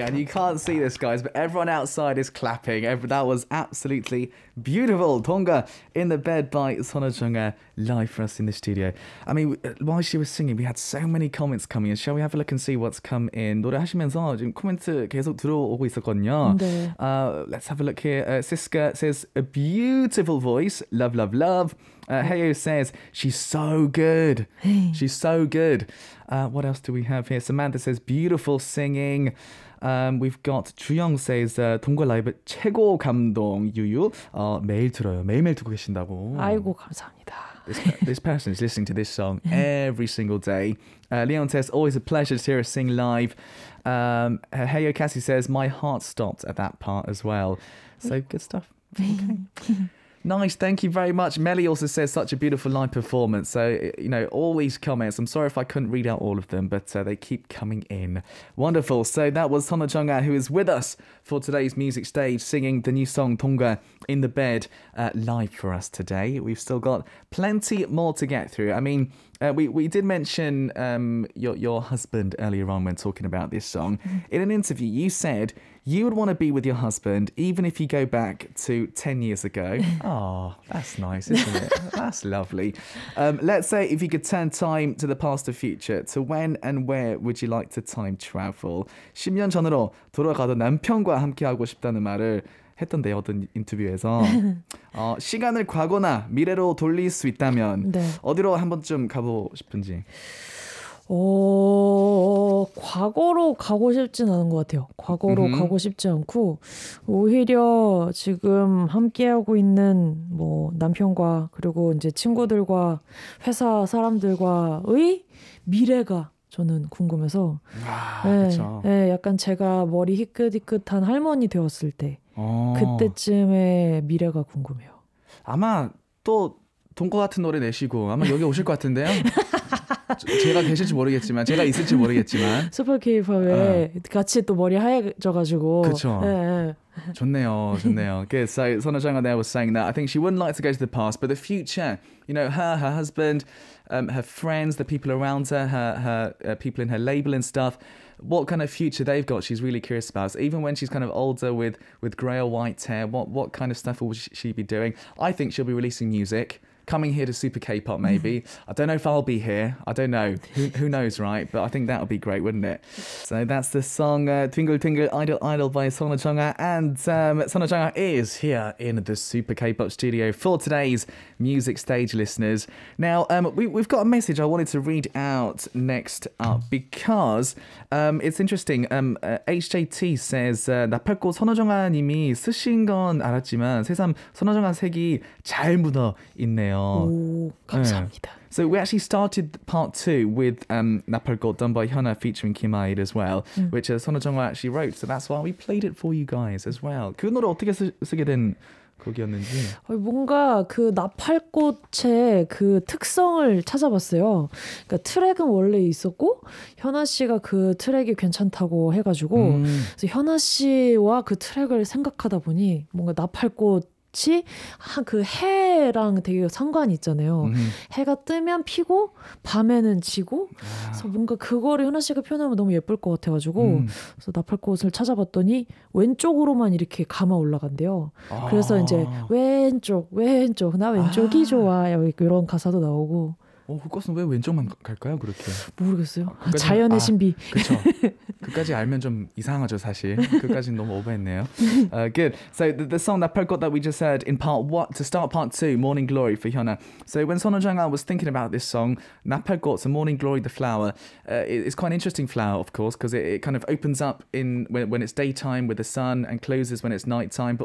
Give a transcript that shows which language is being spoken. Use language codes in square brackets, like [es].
[en] And you can't see this, guys, but everyone outside is clapping. That was absolutely beautiful. Donga in the bed by Sunwoojunga, live for us in the studio. I mean, while she was singing, we had so many comments coming in. Shall we have a look and see what's come in? [ko] 노래하시면서 지금 코멘트 계속 들어오고 있었거든요. 네. [en] Let's have a look here. Siska says, a beautiful voice. Love, love, love. Heyo says, she's so good. She's so good. What else do we have here? Samantha says, beautiful singing. We've got [ko] 주영 says, 동거 라이브 최고 감동. 유유, 매일 들어요. 매일매일 듣고 계신다고. 아이고, 감사합니다. [en] This person is listening to this song every single day. Leon says, always a pleasure to hear us sing live. Heyo Cassie says, my heart stopped at that part as well. So good stuff. Okay. Nice, thank you very much. Melly also says, such a beautiful live performance. So, you know, all these comments. I'm sorry if I couldn't read out all of them, but they keep coming in. Wonderful. So that was Sunwoojunga, who is with us for today's music stage, singing the new song, 동거, in the bed, live for us today. We've still got plenty more to get through. I mean, we did mention your husband earlier on when talking about this song. In an interview, you said you would want to be with your husband even if you go back to 10 years ago. Oh, that's nice, isn't it? That's lovely. Let's say if you could turn time to the past or future, to when and where would you like to time travel? [ko] 10년 전으로 돌아가서 남편과 함께하고 싶다는 말을 했던데 어떤 인터뷰에서 시간을 과거나 미래로 돌릴 수 있다면 네. 어디로 한 번쯤 가보고 싶은지 과거로 가고 싶진 않은 것 같아요 과거로 음흠. 가고 싶지 않고 오히려 지금 함께하고 있는 뭐 남편과 그리고 이제 친구들과 회사 사람들과의 미래가 저는 궁금해서 아, 네, 그렇죠. 네, 약간 제가 머리 희끗희끗한 할머니 되었을 때 그때쯤에 미래가 궁금해요. 아마 또 동거 같은 노래 내시고 아마 여기 오실 것 같은데요. 제가 계실지 모르겠지만 제가 있을지 모르겠지만 슈퍼 케이팝에 같이 또 머리 하얘져가지고 그쵸 네, 네. 좋네요 좋네요 [en] Good. So Sunwoojunga there was saying that I think she wouldn't like to go to the past but the future you know her her husband her friends the people around her her people in her label and stuff what kind of future they've got she's really curious about so even when she's kind of older with grey or white hair what kind of stuff will she be doing I think she'll be releasing music coming here to Super K-pop maybe. I don't know if I'll be here. I don't know. Who knows, right? But I think that would be great, wouldn't it? So that's the song Twinkle Twinkle Idol Idol by Sunwoojunga. And Sunwoojunga is here in the Super K-pop studio for today's music stage listeners. Now, we've got a message I wanted to read out next up because it's interesting. [ko] HJT says, 나팔꽃 Sunwoojunga 님이 쓰신 건 알았지만 새삼 Sunwoojunga 색이 잘 묻어 있네. 감사합니다. [en] So we actually started part two with 나팔꽃 done by Hyuna featuring Kim Ayed as well, which Sunwoojunga actually wrote. So that's why we played it for you guys as well. [ko] 그 노래 어떻게 쓰게 된 곡이었는지. 뭔가 그 나팔꽃의 그 특성을 찾아봤어요. 그러니까 트랙은 원래 있었고 현아 씨가 그 트랙이 괜찮다고 해가지고 그래서 현아 씨와 그 트랙을 생각하다 보니 뭔가 나팔꽃 그 해랑 되게 상관이 있잖아요. 해가 뜨면 피고 밤에는 지고 그래서 뭔가 그거를 현아 씨가 표현하면 너무 예쁠 것 같아가지고 그래서 나팔꽃을 찾아봤더니 왼쪽으로만 이렇게 감아 올라간대요. 그래서 이제 왼쪽 왼쪽 나 왼쪽이 좋아 이런 가사도 나오고 꽃은 왜 왼쪽만 갈까요? 그렇게 모르겠어요. 자연의 신비. 그렇죠. 그까지 알면 좀 이상하죠, 사실. 그까지는 너무 오버했네요. [en] Good. So the song 나팔꽃 that we just heard in part one to start part two, Morning Glory for Hyuna. So when Sunwoojunga was thinking about this song, 나팔꽃, so Morning Glory, the flower, it's quite an interesting flower, of course, because it kind of opens up in when it's daytime with the sun and closes when it's nighttime.